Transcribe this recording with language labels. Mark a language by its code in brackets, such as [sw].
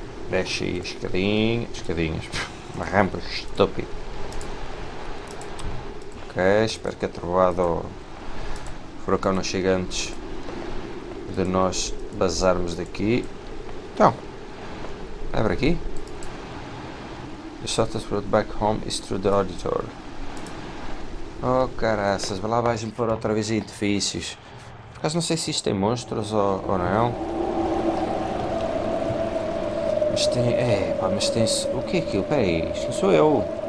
[pt] Deixa aí as escadinhas. Uma rampa estúpida. Ok, espero que a trovoada ou o furacão não chegue antes de nós vazarmos daqui. Então, abre aqui. [en] The shortest road back home is through the auditor. [pt] Oh caraças, lá vais-me pôr outra vez em edifícios. Por acaso não sei se isto tem monstros ou não. Mas tem. É, pá, mas tem. O que é aquilo? Espera aí, isto não sou eu.